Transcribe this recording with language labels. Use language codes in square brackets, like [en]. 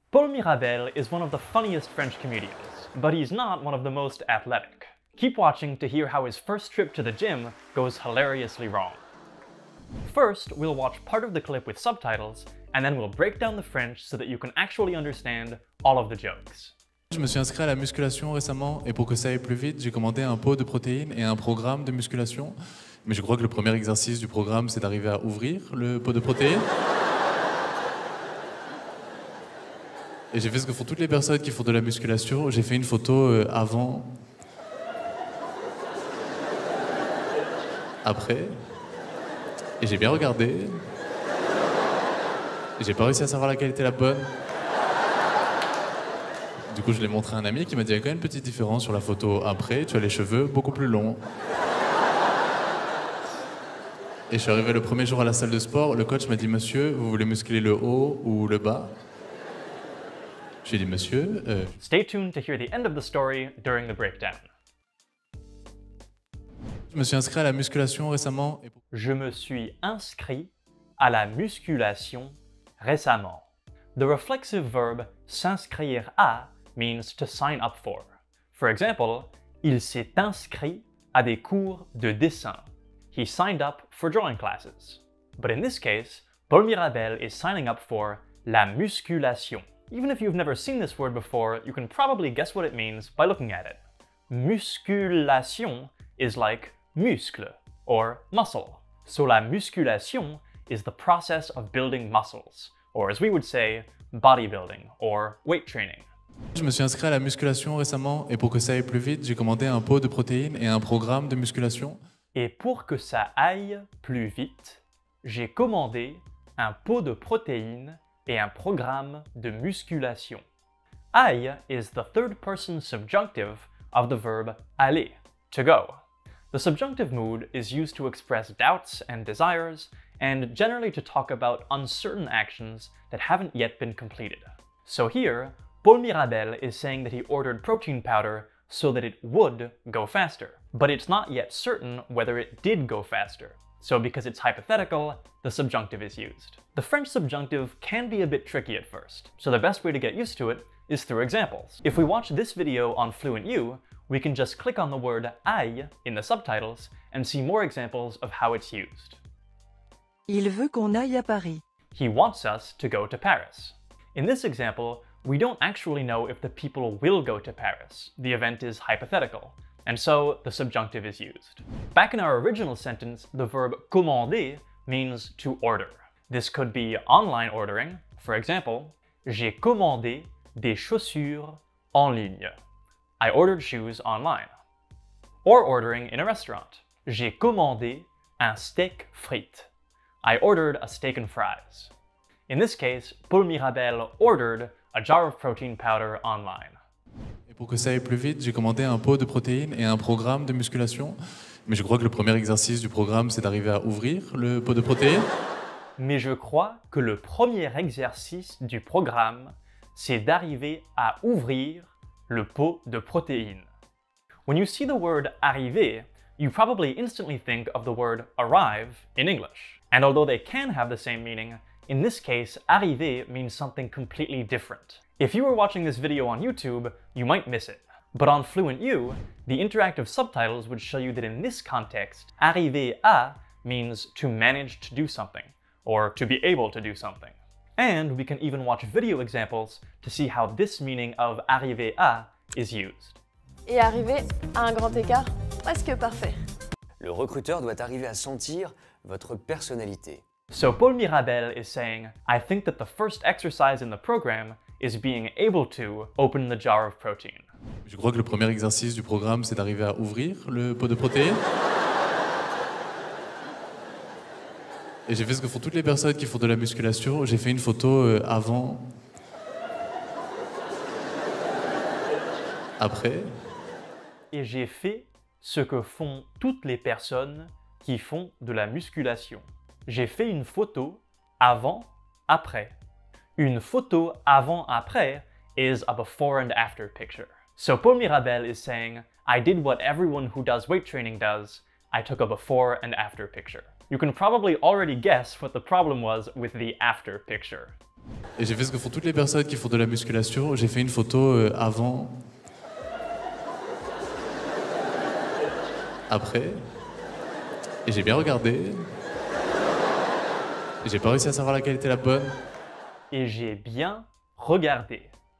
[en] Paul Mirabel is one of the funniest French comedians, but he's not one of the most athletic. Keep watching to hear how his first trip to the gym goes hilariously wrong. First, we'll watch part of the clip with subtitles, and then we'll break down the French so that you can actually understand all of the jokes. [fr] Je me suis inscrit à la musculation récemment, et pour que ça aille plus vite, j'ai commandé un pot de protéines et un programme de musculation. Mais je crois que le premier exercice du programme, c'est d'arriver à ouvrir le pot de protéines. Et j'ai fait ce que font toutes les personnes qui font de la musculation, j'ai fait une photo avant... Après... Et j'ai bien regardé... Et j'ai pas réussi à savoir laquelle était la bonne. Du coup, je l'ai montré à un ami qui m'a dit « Il y a quand même une petite différence sur la photo après, tu as les cheveux beaucoup plus longs. » Et je suis arrivé le premier jour à la salle de sport, le coach m'a dit « Monsieur, vous voulez muscler le haut ou le bas ?» J'ai dit « Monsieur... » [en] Stay tuned to hear the end of the story during the breakdown. [fr] Je me suis inscrit à la musculation récemment. Et... Je me suis inscrit à la musculation récemment. [en] The reflexive verb s'inscrire à means to sign up for. For example, [fr] il s'est inscrit à des cours de dessin. [en] He signed up for drawing classes. But in this case, Paul Mirabel is signing up for la musculation. Even if you've never seen this word before, you can probably guess what it means by looking at it. Musculation is like muscle or muscle. So la musculation is the process of building muscles, or as we would say, bodybuilding or weight training. [fr] Je me suis inscrit à la musculation récemment et pour que ça aille plus vite, j'ai commandé un pot de protéines et un programme de musculation. Et pour que ça aille plus vite, j'ai commandé un pot de protéines et un programme de musculation. [en] Aille is the third person subjunctive of the verb aller, to go. The subjunctive mood is used to express doubts and desires and generally to talk about uncertain actions that haven't yet been completed. So here, Paul Mirabel is saying that he ordered protein powder so that it would go faster. But it's not yet certain whether it did go faster. So because it's hypothetical, the subjunctive is used. The French subjunctive can be a bit tricky at first, so the best way to get used to it is through examples. If we watch this video on FluentU, we can just click on the word aille in the subtitles and see more examples of how it's used. [fr] Il veut qu'on aille à Paris. [en] He wants us to go to Paris. In this example, we don't actually know if the people will go to Paris. The event is hypothetical, and so the subjunctive is used. Back in our original sentence, the verb commander means to order. This could be online ordering. For example, [fr] j'ai commandé des chaussures en ligne. [en] I ordered shoes online. Or ordering in a restaurant. [fr] J'ai commandé un steak frites. [en] I ordered a steak and fries. In this case, Paul Mirabel ordered a jar of protein powder online. [fr] Et pour que ça aille plus vite, j'ai commandé un pot de protéines et un programme de musculation. Mais je crois que le premier exercice du programme, c'est d'arriver à ouvrir le pot de protéines. Mais je crois que le premier exercice du programme, c'est d'arriver à ouvrir le pot de protéines. [en] When you see the word arriver, you probably instantly think of the word arrive in English. And although they can have the same meaning, in this case, arriver means something completely different. If you were watching this video on YouTube, you might miss it. But on FluentU, the interactive subtitles would show you that in this context, arriver à means to manage to do something, or to be able to do something. And we can even watch video examples to see how this meaning of arriver à is used. [fr] Et arriver à un grand écart, presque parfait. Le recruteur doit arriver à sentir votre personnalité. [en] So Paul Mirabel is saying, I think that the first exercise in the program is being able to open the jar of protein. [fr] Je crois que le premier exercice du programme, c'est d'arriver à ouvrir le pot de protéines. Et j'ai fait ce que font toutes les personnes qui font de la musculation, j'ai fait une photo avant... Après... Et j'ai fait ce que font toutes les personnes qui font de la musculation. J'ai fait une photo avant, après. Une photo avant, après [en] is a before and after picture. So Paul Mirabel is saying, I did what everyone who does weight training does. I took a before and after picture. You can probably already guess what the problem was with the after picture. [fr] Et j'ai fait ce que font toutes les personnes qui font de la musculation. J'ai fait une photo avant. Après. Et j'ai bien regardé. Et j'ai pas réussi à savoir laquelle était la bonne. Et j'ai bien regardé.